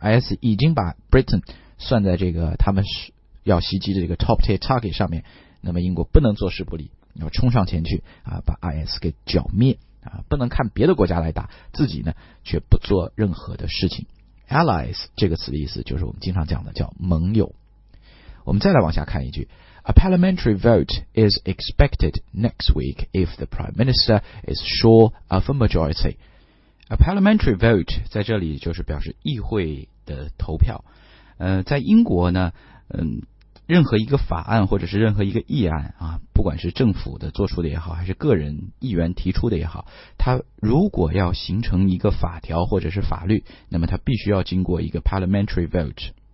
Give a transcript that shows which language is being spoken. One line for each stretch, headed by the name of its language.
Chinese: IS 已经把 Britain 算在这个他们是要袭击的这个 top tier target 上面，那么英国不能坐视不理，要冲上前去啊，把 IS 给剿灭啊，不能看别的国家来打，自己呢却不做任何的事情。 allies 这个词的意思就是我们经常讲的叫盟友。我们再来往下看一句，
English: A parliamentary vote is expected next week if the Prime Minister is sure of a majority. A parliamentary vote
Chinese: 在这里就是表示议会的投票。在英国呢，任何一个法案或者是任何一个议案啊，不管是政府的做出的也好，还是个人议员提出的也好，它如果要形成一个法条或者是法律，那么它必须要经过一个
English: parliamentary vote。